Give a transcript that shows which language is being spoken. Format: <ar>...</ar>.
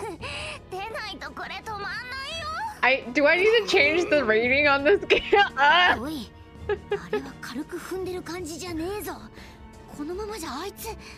<ja>傷ついた私に昨日みたいに泣いて謝ってよ。土下座しながら鼻水垂らして、また動画撮っとくし。ほら、早くしてよ。早く、早く。出ないとこれ止まんないよ。</ja> <en>Do I need to change the rating on this game?</en> <ja>おい、あれは軽く踏んでる感じじゃねえぞ。このままじゃあいつ。</ja>